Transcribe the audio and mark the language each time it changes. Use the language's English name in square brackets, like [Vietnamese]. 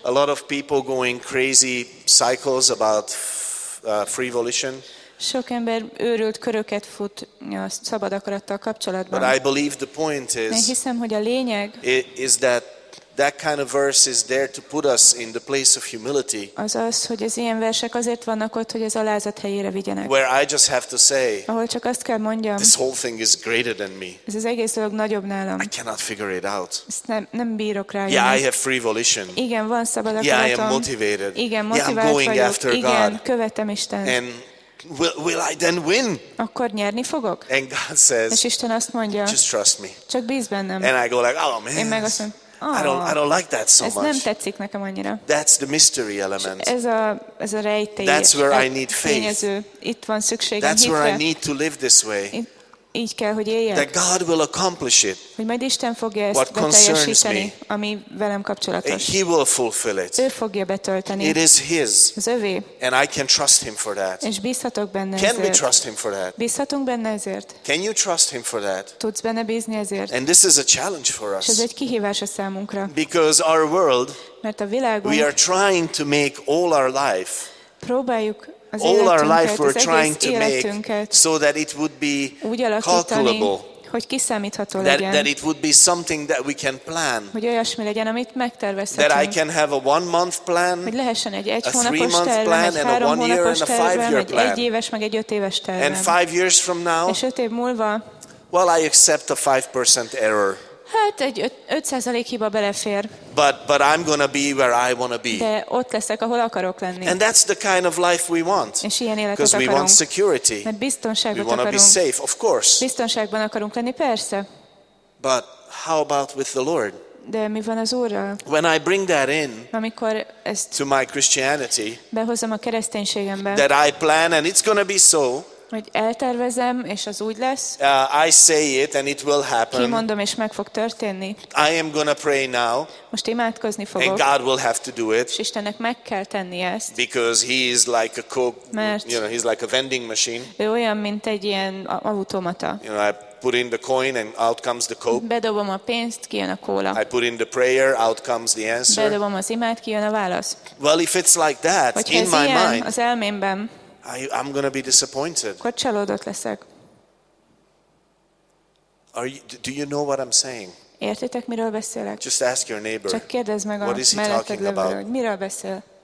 [English] A lot of people going crazy cycles about free volition. [Hungarian] Sok ember őrült köröket fut a szabad akarattal kapcsolatban. [English] But I believe the point is. [Hungarian] Én hiszem, hogy a lényeg. [English] Is that. That kind of verse is there to put us in the place of humility. [Hungarian] Azaz, hogy az ilyen versek azért vannak ott, hogy az alázat helyére vigyenek. [English] Where I just have to say. [Hungarian] Ahol csak azt kell mondjam. [English] This whole thing is greater than me. [Hungarian] Ez az egész dolog nagyobb nálam. [English] I cannot figure it out. [Hungarian] Nem bírok rá. [English] Yeah, I have free volition. [Hungarian] Igen, van szabad akaratom. [English] Yeah, I am motivated. [Hungarian] Igen, motivált vagyok. Igen, követem Istent. [English] And will I then win? [Hungarian] Akkor nyerni fogok? [English] And God says. [Hungarian] És Isten azt mondja. [English] Just trust me. [Hungarian] Csak bízz bennem. [English] And I go like, oh man. [Hungarian] Én meg azt mondom, [English] I don't like that so much. [Hungarian] Ez nem tetszik nekem annyira. [English] That's the mystery element. [Hungarian] Ez a rejtély. [English] That's where I need faith. [Hungarian] Itt van szükségem hitre. [English] That's where I need to live this way. [Hungarian] Így kell, hogy éljek. [English] That God will accomplish it. [Hungarian] Hogy majd Isten fogja ezt beteljesíteni, ami velem kapcsolatos. [English] He will fulfill it. [Hungarian] Ő fogja betölteni. [English] It is His. [Hungarian] Az övé. [English] And I can trust Him for that. [Hungarian] És bízhatok benne ezért. [English] Can we trust Him for that? [Hungarian] Bízhatunk benne ezért. [English] Can you trust Him for that? [Hungarian] Tudsz benne bízni ezért. [English] And this is a challenge for us. [Hungarian] És ez egy kihívás a számunkra. [English] Because our world. [Hungarian] Mert a világunk. [English] We are trying to make all our life. [Hungarian] Próbáljuk. [English] All our life we're trying to make so that it would be calculable, [Hungarian] hogy kiszámítható legyen. [English] That it would be something that we can plan. [Hungarian] Hogy olyasmi legyen, amit megtervezhetünk. [English] That I can have a 1 month plan. [Hungarian] Hogy lehessen egy hónapos terv, egy 3 hónapos terv, egy [English] 1 year and a 5 year plan. [Hungarian] Egy éves meg egy 5 éves terv. [English] And 5 years from now. [Hungarian] És 5 év múlva. [English] Well, I accept a 5% error. [Hungarian] Hát egy 5% hiba belefér. [English] But I'm gonna be where I wanna be. [Hungarian] De ott leszek, ahol akarok lenni. [English] And that's the kind of life we want. [Hungarian] És ilyen életet akarunk. [English] Because we want security. [Hungarian] Mert biztonságot akarunk. [English] We wanna be safe, of course. [Hungarian] Biztonságban akarunk lenni, persze. [English] But how about with the Lord? [Hungarian] De mi van az Úrral? [English] When I bring that in, [Hungarian] amikor ezt [English] to my Christianity, [Hungarian] behozom a kereszténységembe, [English] that I plan and it's gonna be so. [Hungarian] Hogy eltervezem, és az úgy lesz. [English] I say it and it will happen. [Hungarian] Kimondom, és meg fog történni. [English] I am gonna pray now. [Hungarian] Most imádkozni fogok. [English] And God will have to do it. [Hungarian] És Istennek meg kell tenni ezt. [English] Because he is like a cook, you know, he's like a vending machine. [Hungarian] Ő olyan, mint egy ilyen automata. [English] You know, I put in the coin and out comes the coke. [Hungarian] Bedobom a pénzt, kijön a kóla. [English] I put in the prayer, out comes the answer. [Hungarian] Bedobom az imád, kijön a válasz. [English] Well, if it's like that, [Hungarian] hogyha [English] in my mind. [Hungarian] Az elmémben. [English] I'm going to be disappointed. [Hungarian] Akkor csalódott leszek. [English] Do you know what I'm saying? [Hungarian] Értitek, miről beszélek? [English] Just ask your neighbor. [Hungarian] Csak kérdezd meg a melletted lévőről, hogy miről beszél.